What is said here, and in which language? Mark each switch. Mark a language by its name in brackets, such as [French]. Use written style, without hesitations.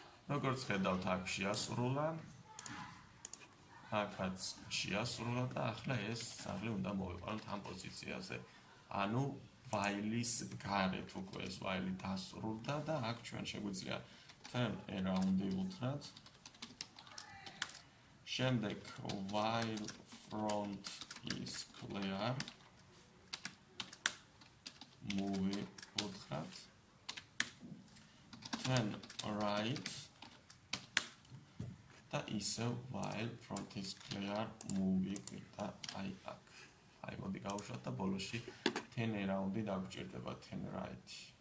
[Georgian] როგორც ხედავთ, აქ შეასრულა. აქაც შეასრულა და ახლა ეს ძაღლი უნდა მოვიყვანოთ ამ პოზიციაზე. ანუ ვაილის გარეთ უკვე ეს ვაილი დასრულდა და აქ ჩვენ შეგვიძლია [English] turn around [Georgian] უთხრათ. შემდეგ [English] while front is clear move [Georgian] უთხრათ. [English] turn right [Georgian] და ისევ [English] while front is clear move [Georgian] და აი აქ. აი მოდი გავუშვათ და ბოლოში [English] turn around- [Georgian] ი დაგვჭირდება [English] turn right.